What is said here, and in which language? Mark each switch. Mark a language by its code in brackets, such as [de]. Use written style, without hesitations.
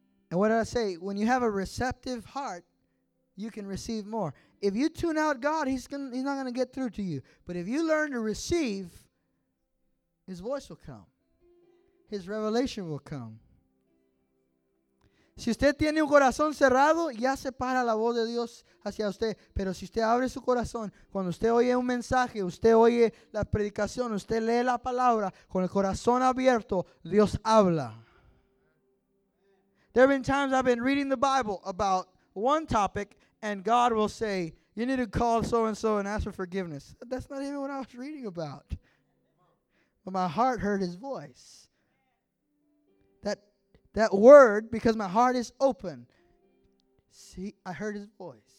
[en] And what did I say? When you have a receptive heart, you can receive more. If you tune out God, he's not going to get through to you. But if you learn to receive, his voice will come. His revelation will come. [es] Si usted tiene un corazón cerrado, ya se para la voz de Dios hacia usted. Pero si usted abre su corazón, cuando usted oye un mensaje, usted oye la predicación, usted lee la palabra, con el corazón abierto, Dios habla. [en] There have been times I've been reading the Bible about one topic, and God will say, you need to call so-and-so and ask for forgiveness. That's not even what I was reading about. But my heart heard his voice. That word, because my heart is open. See, I heard his voice.